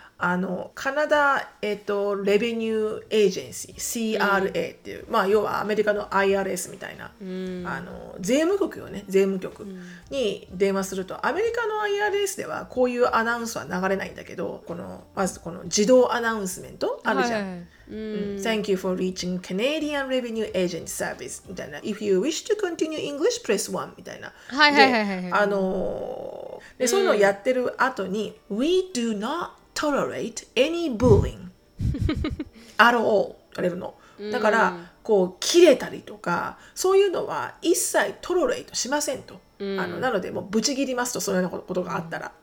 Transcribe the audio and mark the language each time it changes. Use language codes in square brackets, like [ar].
[ja] あのカナダ、レベニューエージェンシー CRA っていう、うん、まあ要はアメリカの IRS みたいな、うん、あの税務局よね、税務局に電話すると、アメリカの IRS ではこういうアナウンスは流れないんだけど、このまずこの自動アナウンスメントあるじゃん、はいはい、 [en] Thank you for reaching Canadian Revenue Agent Service [ja] みたいな。 [en] If you wish to continue English, press 1 [ja] みたいな。はいはいはいはい。で、で、そういうのをやってる後に、 [en] We do not tolerate any bullying at all [ja] 言われるの。だから、こう、切れたりとか、そういうのは一切 tolerate しませんと。あのなので、もうブチ切りますと、そういうことがあったら。